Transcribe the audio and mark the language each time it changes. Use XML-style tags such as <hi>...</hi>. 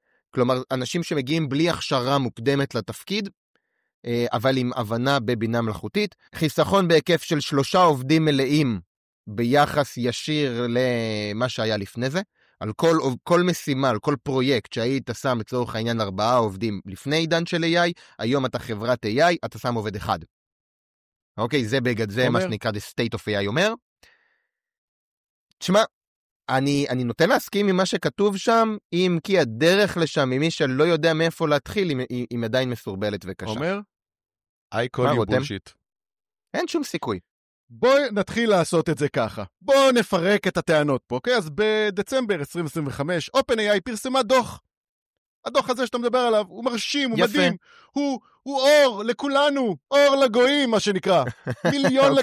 <he>כלומר, אנשים שמגיעים בלי הכשרה מוקדמת לתפקיד, אבל עם הבנה בבינה מלאכותית, חיסכון בהיקף של 3 עובדים מלאים ביחס ישיר למה שהיה לפני זה, על כל משימה, על כל פרויקט שהיית שם לצורך העניין 4 עובדים לפני עידן של AI, היום אתה חברת AI, אתה שם עובד אחד. אוקיי, זה בגד, זה מה שנקרא the state of AI אומר. תשמע, אני נוטה להסכים עם מה שכתוב שם, אם כי הדרך לשם, ממי שלא יודע מאיפה להתחיל, אם עדיין מסורבלת וקשה.</he> <en>אומר, I call you bullshit.</en> <he>אין שום סיכוי. בואי נתחיל לעשות את זה ככה. בואו נפרק את הטענות פה, אוקיי? אז בדצמבר 2025, OpenAI פרסמה דוח. הדוח הזה שאתה מדבר עליו, הוא מרשים, הוא יפה. מדהים. הוא אור לכולנו, אור לגויים, מה שנקרא. מיליון okay.</he>